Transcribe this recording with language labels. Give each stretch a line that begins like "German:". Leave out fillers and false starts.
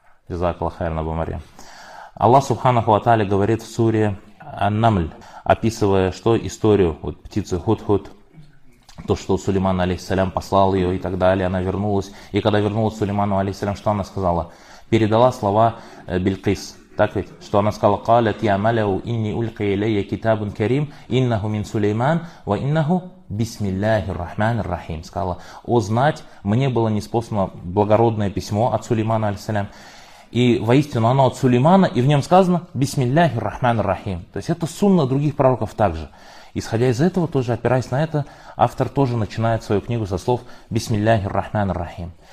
Russian: Джазакаллаху хайран абу Мария. Аллах субханаху ва тааля говорит в суре Ан-Намль, описывая что? Историю вот птицы Худ-Худ. То, что Сулейман, алейхиссалям, послал ее и так далее, она вернулась. И когда вернулась Сулейману, алейхиссалям, что она сказала? Передала слова Билькис. Так ведь, что она сказала,
Arabic: قالت يا ملأ إني ألقي إلي كتاب كريم إنه من سليمان وإنه بسم الله الرحمن الرحيم.
Russian: Сказала, о знать, мне было неспослано благородное письмо от Сулеймана, алейхиссалям. И воистину оно от Сулеймана, и в нем сказано
Arabic: بسم الله الرحمن الرحيم.
Russian: То есть это сунна других пророков также. Исходя из этого, тоже опираясь на это, автор тоже начинает свою книгу со слов
Arabic: بسم الله الرحمن الرحيم.